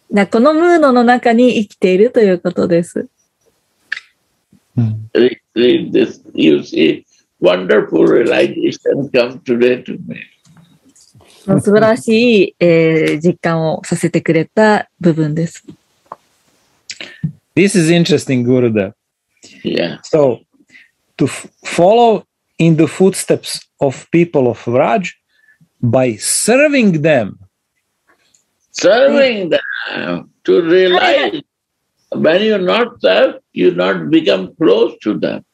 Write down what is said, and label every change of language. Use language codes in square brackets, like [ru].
[ja] このムーノの中に生きているということです。 [en] You see, wonderful realization come today to me. [ja] 素晴らしい、実感をさせてくれた部分です。 [en] This is interesting, Gurudev. Yeah. So, to follow in the footsteps of people of Vraj by serving them. Serving them to realize. when you're not there, you not become close to them.